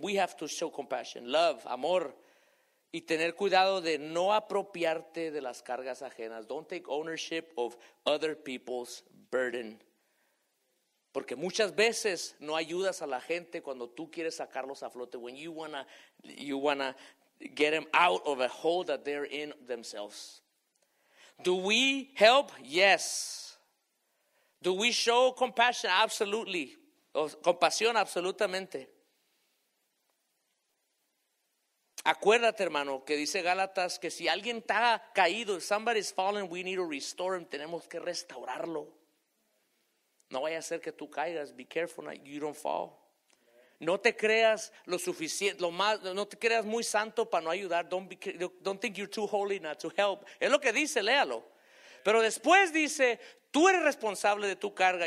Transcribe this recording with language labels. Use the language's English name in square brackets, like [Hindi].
[English] We have to show compassion, love, [Spanish] amor. Y tener cuidado de no apropiarte de las cargas ajenas. [English] Don't take ownership of other people's burden. [Spanish] Porque muchas veces no ayudas a la gente cuando tú quieres sacarlos a flote. [English] When you wanna get them out of a hole that they're in themselves. Do we help? Yes. Do we show compassion? Absolutely. [Spanish] Compasión, absolutamente. Acuérdate, hermano, que dice Gálatas que si alguien está caído, [English] somebody's fallen, we need to restore him, [Spanish] tenemos que restaurarlo. No vaya a ser que tú caigas, [English] be careful that you don't fall. [Spanish] No te creas lo suficiente, lo más, no te creas muy santo para no ayudar. [English] Don't think you're too holy not to help. [Spanish] Es lo que dice, léalo. Pero después dice, tú eres responsable de tu carga.